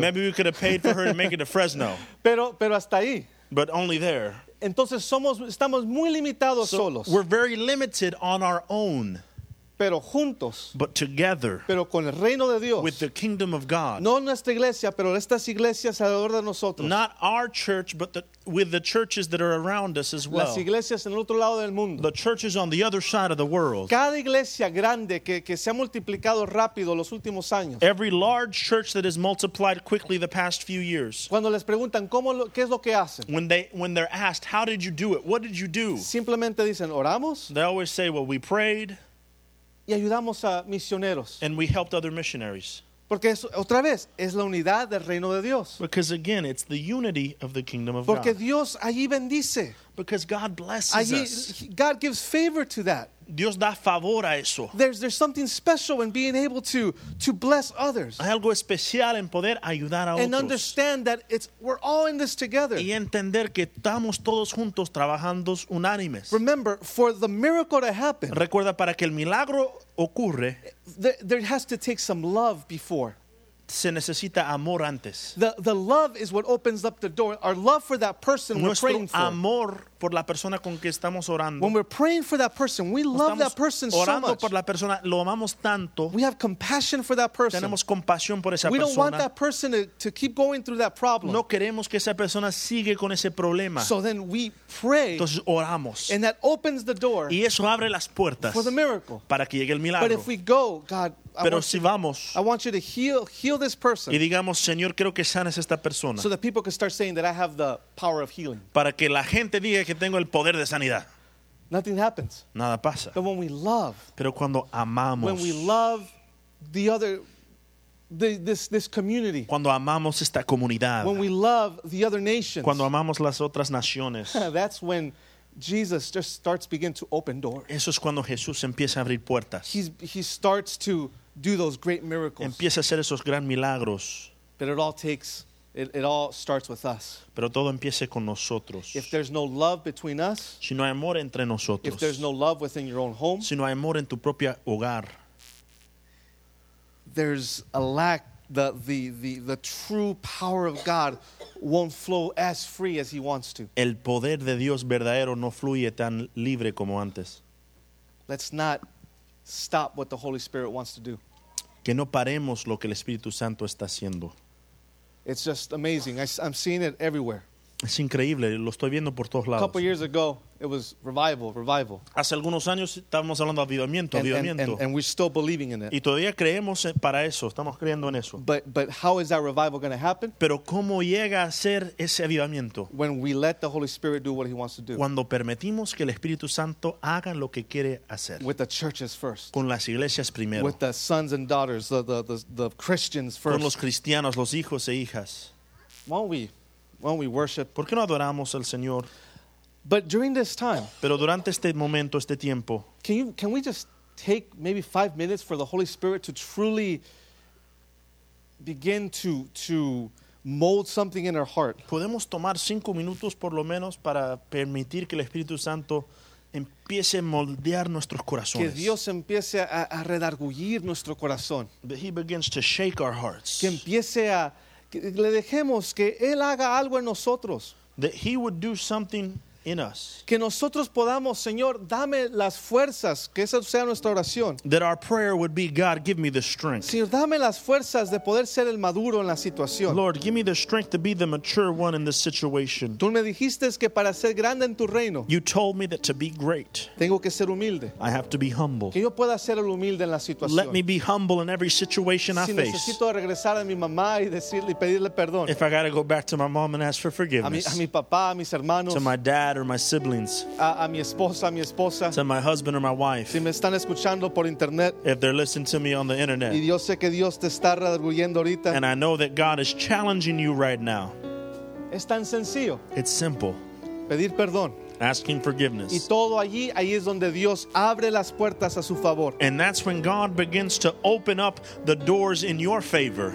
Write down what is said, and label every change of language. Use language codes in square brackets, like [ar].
[en] Maybe we could have paid for her to make it to Fresno. [es] Pero hasta ahí. [en] But only there. [es] Entonces estamos muy limitados solos. [en] We're very limited on our own. [es] Pero juntos. [en] But together. [es] Pero con el reino de Dios. [en] With the kingdom of God. [es] No nuestra iglesia, pero estas iglesias alrededor de nosotros. [en] Not our church, but with the churches that are around us as well. [es] Las iglesias en el otro lado del mundo. [en] The churches on the other side of the world. [es] Cada iglesia grande que se ha multiplicado rápido los últimos años. [en] Every large church that has multiplied quickly the past few years. [es] Cuando les preguntan qué es lo que hacen. [en] When they're asked, how did you do it? What did you do? [es] Simplemente dicen, oramos. [en] They always say, well, we prayed. [es] Y ayudamos a misioneros. [en] And we helped other missionaries. [es] Porque es, otra vez, es la unidad del reino de Dios. [en] Because again, it's the unity of the kingdom of [es] Porque [en] God. [es] Dios allí bendice. [en] Because God blesses [es] allí, [en] us. God gives favor to that. [es] Dios da favor a eso. [en] There's something special in being able to bless others. [es] Hay algo especial en poder ayudar a [en] and [es] otros. [en] And understand that we're all in this together. [es] Y entender que estamos todos juntos trabajando unánimes. [en] Remember, for the miracle to happen. [es] Recuerda para que el milagro ocurre. [en] There has to take some love before. [es] Se necesita amor antes. [en] The love is what opens up the door. Our love for that person [es] Nuestro [en] we're praying for. [es] Amor por la persona con que estamos orando. [en] When we're praying for that person, we [es] estamos [en] love that person [es] orando [en] so much. [es] Por la persona, lo amamos tanto. [en] We have compassion for that person. [es] Tenemos compasión por esa [en] we [es] persona. [en] Don't want that person to keep going through that problem. [es] No queremos que esa persona siga con ese problema. [en] So then we pray. [es] Entonces oramos. [en] And that opens the door. [es] Y eso abre las puertas. [en] For the miracle. [es] Para que llegue el milagro. [en] But if we go, God, [es] pero si vamos, [en] I want you to heal this person. [es] Y digamos, Señor, quiero que sanes esta persona. [en] So that people can start saying that I have the power of healing. [es] Para que la gente diga que tengo el poder de sanidad. [en] Nothing happens. [es] Nada pasa. [en] But when we love, [es] pero cuando amamos, [en] when we love the other, this community. [es] Cuando amamos esta comunidad. [en] When we love the other nations. [es] Cuando amamos las otras naciones. [en] That's when Jesus just starts begin to open doors. [es] Eso es cuando Jesús empieza a abrir puertas. [en] He starts to do those great miracles. [es] Empieza a hacer esos gran milagros. [en] But it all starts with us. [es] Pero todo empieza con nosotros. [en] If there's no love between us, [es] si no hay amor entre nosotros. [en] If there's no love within your own home, [es] si no hay amor en tu propia hogar. [en] There's a lack. The true power of God won't flow as free as He wants to. [es] El poder de Dios verdadero no fluye tan libre como antes. [en] Let's not stop what the Holy Spirit wants to do. [es] Que no paremos lo que el Espíritu Santo está haciendo. [en] It's just amazing. I'm seeing it everywhere. [es] Es increíble. Lo estoy viendo por todos lados. [en] A couple years ago, it was revival. [es] Hace algunos años estábamos hablando de avivamiento, [en] And we're still believing in it. [es] Y todavía creemos para eso. Estamos creyendo en eso. [en] But how is that revival going to happen? [es] Pero cómo llega a ser ese avivamiento? [en] When we let the Holy Spirit do what He wants to do. [es] Cuando permitimos que el Espíritu Santo haga lo que quiere hacer. [en] With the churches first. [es] Con las iglesias primero. [en] With the sons and daughters, the Christians first. [es] Con los cristianos, los hijos e hijas. [en] Won't we worship? [es] ¿Por qué no adoramos al Señor? [en] But during this time, [es] pero durante este momento, este tiempo, [en] can we just take maybe 5 minutes for the Holy Spirit to truly begin to mold something in our heart. [es] Podemos tomar 5 minutos por lo menos para permitir que el Espíritu Santo empiece a moldear nuestros corazones. Que Dios empiece a redargullir nuestro corazón. [en] That he begins to shake our hearts. [es] Que empiece a que le dejemos que él haga algo en nosotros. [en] That he would do something in us. [es] Que nosotros podamos, Señor, dame las fuerzas, que esa sea nuestra oración. [en] That our prayer would be, God, give me the strength. [es] Señor, dame las fuerzas de poder ser el maduro en la situación. [en] Lord, give me the strength to be the mature one in this situation. [es] Tú me dijiste que para ser grande en tu reino, [en] you told me that to be great, [es] tengo que ser humilde. [en] I have to be humble. [es] Que yo pueda ser el humilde en la situación. [en] Let me be humble in every situation [es] si [en] I face. [es] Si necesito regresar a mi mamá y decirle y pedirle perdón. [en] If I gotta go back to my mom and ask for forgiveness. [es] A mi papá, a mis hermanos. [en] To my dad. Or my siblings, [es] a mi esposa, a mi esposa. [en] To my husband or my wife, [es] si me están escuchando por internet, [en] if they're listening to me on the internet, [es] y yo sé que Dios te está redarguyendo ahorita, [en] and I know that God is challenging you right now. [es] Es tan sencillo. [en] It's simple. [es] Pedir perdón. [en] Asking forgiveness. [es] Y todo allí, ahí es donde Dios abre las puertas a su favor. [en] And that's when God begins to open up the doors in your favor.